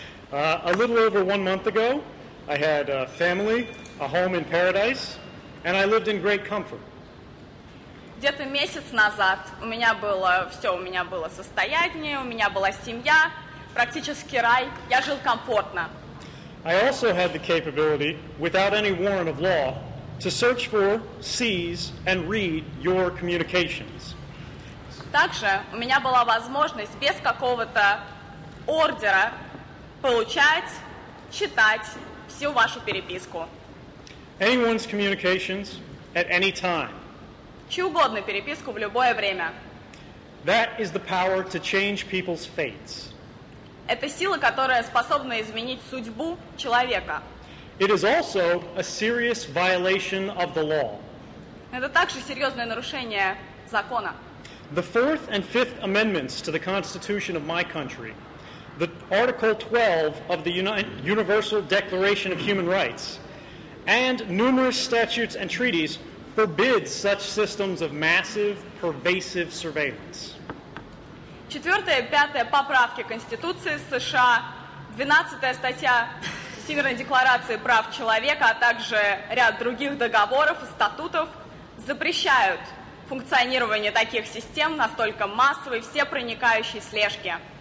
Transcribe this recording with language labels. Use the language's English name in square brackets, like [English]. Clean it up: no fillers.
[English] A little over 1 month ago, I had a family, a home in paradise, and I lived in great comfort. [Russian] Где-то месяц назад у меня было все, у меня было состояние, у меня была семья, практически рай, я жил комфортно. [English] I also had the capability, without any warrant of law, to search for, seize, and read your communications. [Russian] Также у меня была возможность без какого-то ордера получать, читать всю вашу переписку. [English] Anyone's communications at any time. [Russian] Чью угодно переписку в любое время. [English] That is the power to change people's fates. [Russian] Это сила, которая способна изменить судьбу человека. [English] It is also a serious violation of the law. [Russian] Это также серьезное нарушение закона. [English] The Fourth and Fifth Amendments to the Constitution of my country, the Article 12 of the Universal Declaration of Human Rights, and numerous statutes and treaties forbid such systems of massive, pervasive surveillance. [Russian] Четвертая и пятая поправки Конституции США, 12-я статья Всемирной декларации прав человека, а также ряд других договоров и статутов запрещают функционирование таких систем настолько массовой, всепроникающей слежки.